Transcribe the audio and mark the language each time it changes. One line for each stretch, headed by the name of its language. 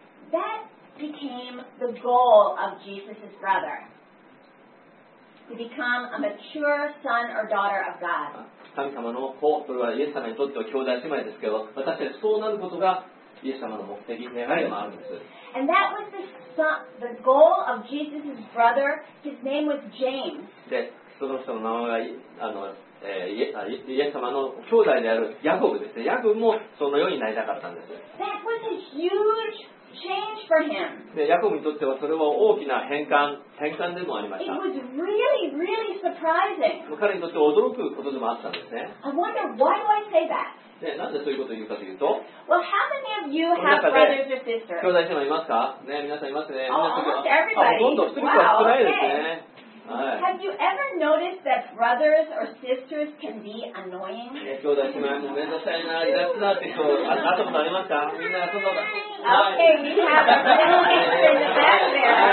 English: That became the goal of Jesus' brother. To become a mature son or daughter of God.
Japanese: 神様の子、それはイエス様にとっては兄弟姉妹ですけど、私たちそうなることがイエス様の目的、願いでもあるんです。
English: And that was the goal of Jesus' brother. His name was James.
Japanese: で、その人の名前が、イエス様の兄弟であるヤコブですね。ヤコブもそのようになりたかったんです。
English: That was a huge change for him.
Japanese: で、ヤコブにとってはそれは大きな変換でもありました。
English: It was really, really surprising.
Japanese: 彼にとって驚くことでもあったんですね。
English: I wonder why do I say that?
Japanese: ね、なんでそういうことを言うかというと、
English: well, how many of you have brothers or sisters?
Japanese: 兄弟姉妹いますか、ね、皆さんいますね。
English: Oh, almost everybody.
Japanese: ほとんど少ないですね。 okay. はい、
English: have you ever noticed that brothers or sisters can be annoying?
Japanese: 兄弟姉妹もめんどくさいな、いらっしゃって人、あったことありますか？みんなそんなこと。
English: Okay, we have a little sister in the back there.